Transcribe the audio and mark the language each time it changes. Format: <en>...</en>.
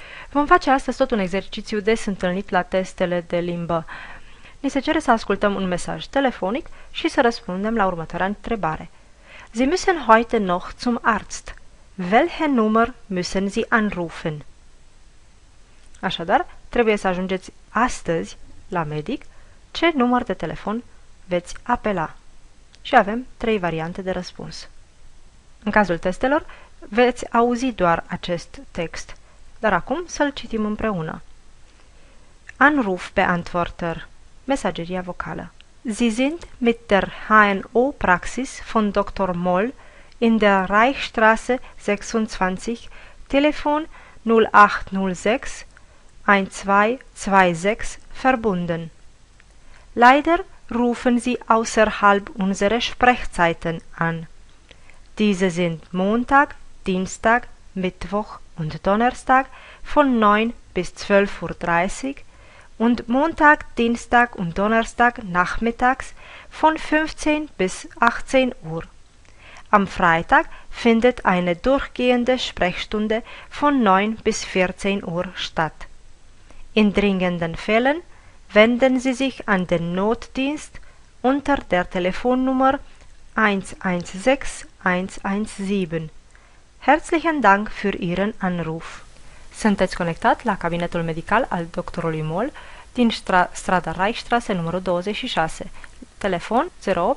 <ro>Vom face astăzi tot un exercițiu des întâlnit la testele de limbă. Ne se cere să ascultăm un mesaj telefonic și să răspundem la următoarea întrebare.</ro> <de>Sie müssen heute noch zum Arzt. Welche Nummer müssen Sie anrufen?</de> <ro>Așadar, trebuie să ajungeți astăzi la medic. Ce număr de telefon veți apela? Și avem trei variante de răspuns. În cazul testelor, veți auzi doar acest text, dar acum să-l citim împreună.</ro> <de>Anruf beantworter,</de> <ro>mesageria vocală.</ro> <de>Sie sind mit der HNO-Praxis von Dr. Moll in der Reichstraße 26, Telefon 0806-1226 verbunden. Leider rufen Sie außerhalb unserer Sprechzeiten an. Diese sind Montag, Dienstag, Mittwoch und Donnerstag von 9 bis 12.30 Uhr und Montag, Dienstag und Donnerstag nachmittags von 15 bis 18 Uhr. Am Freitag findet eine durchgehende Sprechstunde von 9 bis 14 Uhr statt. In dringenden Fällen wenden Sie sich an den Notdienst unter der Telefonnummer 116117. Herzlichen Dank für Ihren Anruf.</de> <ro>Sunteți conectat la cabinetul medical al doctorului Moll din strada Reichstraße numărul 26. Telefon 0806-1226.</ro>